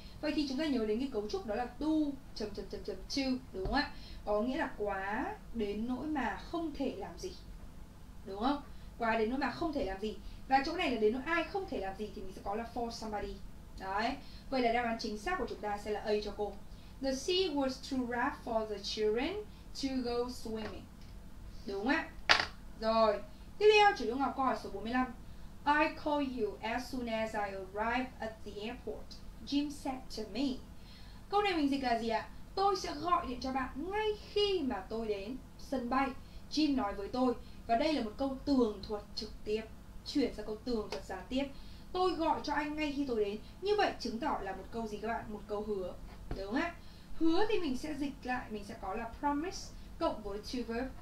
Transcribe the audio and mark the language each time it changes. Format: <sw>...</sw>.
<vi>Vậy thì chúng ta nhớ đến cái cấu trúc đó là to chấm chấm chấm chấm to, đúng không ạ? Có nghĩa là quá đến nỗi mà không thể làm gì, đúng không? Quá đến nỗi mà không thể làm gì. Và chỗ này là đến nỗi ai không thể làm gì thì mình sẽ có là</vi> <en>for somebody.</en> <vi>Đấy. Vậy là đáp án chính xác của chúng ta sẽ là A cho cô.</vi> <en>The sea was too rough for the children to go swimming.</en> <vi>Đúng ạ. Rồi. Tiếp theo, chủ yếu ngọc câu hỏi số 45.</vi> <en>I call you as soon as I arrive at the airport, Jim said to me.</en> <vi>Câu này mình dịch là gì ạ? Tôi sẽ gọi điện cho bạn ngay khi mà tôi đến sân bay, Jim nói với tôi. Và đây là một câu tường thuật trực tiếp, chuyển sang câu tường thuật gián tiếp. Tôi gọi cho anh ngay khi tôi đến. Như vậy chứng tỏ là một câu gì các bạn? Một câu hứa, đúng không ạ? Hứa thì mình sẽ dịch lại, mình sẽ có là promise cộng với to verb.</vi>